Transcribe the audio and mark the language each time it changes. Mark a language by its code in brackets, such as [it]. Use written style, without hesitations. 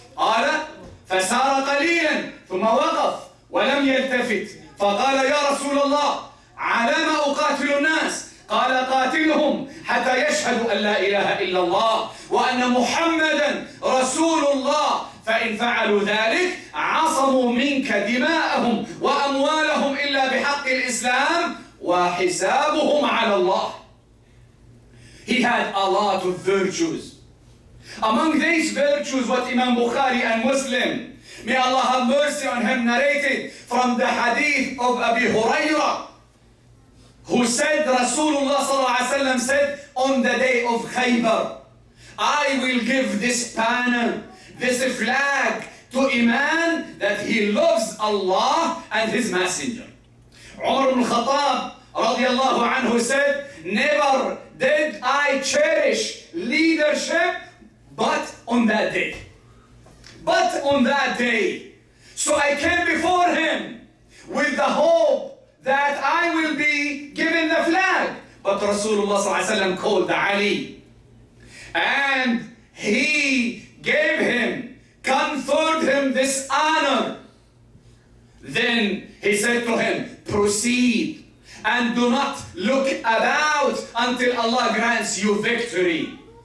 [ar] قال: فسار قليلا ثم وقف ولم يلتفت، فقال: يا رسول الله، على ما أقاتل الناس؟ قال: قاتلهم حتى يشهدوا أن لا إله إلا الله وأن محمدا رسول الله، فإن فعلوا ذلك عصموا منك دماءهم وأموالهم إلا بحق الإسلام وحسابهم على الله. [en] He had a lot of virtues. Among these virtues, what Imam Bukhari and Muslim, may Allah have mercy on him, narrated from the hadith of Abi Huraira, who said, Rasulullah [ar] صلى الله عليه وسلم [en] said, on the day of Khaybar, I will give this banner, this flag, to a man that he loves Allah and his messenger. Umar ibn al-Khattab [ar] رضي الله عنه [en] said, never did I cherish leadership but on that day. But on that day. So I came before him with the hope that I will be given the flag. But Rasulullah [ar] صلى الله عليه وسلم [en] called Ali. And he gave him, conferred him this honor. Then he said to him, proceed. And do not look about until Allah grants you victory.